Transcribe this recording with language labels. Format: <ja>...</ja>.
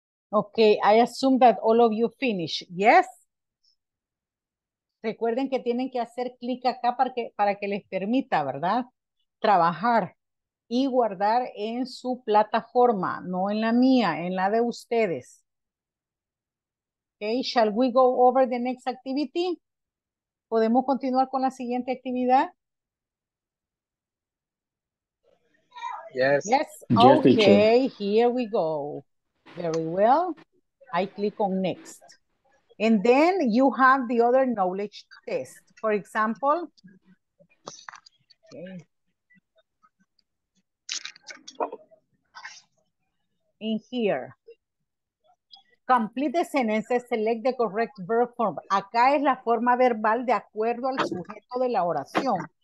<en>Okay, I assume that all of you finish. Yes.</en> <es>Recuerden que tienen que hacer clic acá para que les permita, ¿verdad? Trabajar y guardar en su plataforma, no en la mía, en la de ustedes.</es> <en>Okay, shall we go over the next activity?</en> <es>¿Podemos continuar con la siguiente actividad?</es> <en>Yes. Yes. Okay, here we go. Very well. I click on next. And then you have the other knowledge test. For example, Okay. In here. Complete the sentence, select the correct verb form.</en> <es>Acá es la forma verbal de acuerdo al sujeto de la oración.</es>